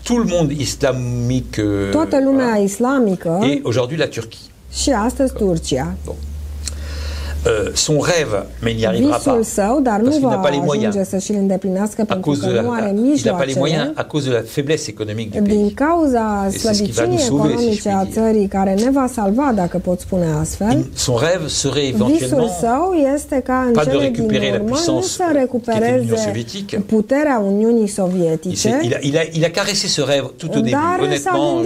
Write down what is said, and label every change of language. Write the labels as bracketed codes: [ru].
[fr] Tout le monde islamique. [ro] Toată lumea islamică. [fr] Et aujourd'hui la Turquie. [ro] Și astăzi Turcia. [fr] Bon. Son rêve, mais il n'y arrivera [ro] visul [fr] pas. [ro] Său, dar nu va ajunge să și-l îndeplinească pentru că nu are mijloacele. [fr] Il n'a pas les moyens à cause de la faiblesse économique du pays. [ro] Din cauza slăbiciunii economice a țării, care ne va salva, dacă pot spune astfel. [fr] Son rêve serait éventuellement. [ro] Visul său este ca în cele din urmă nu să recupereze puterea Uniunii Sovietice. [fr] Il a caressé ce rêve tout au début, honnêtement,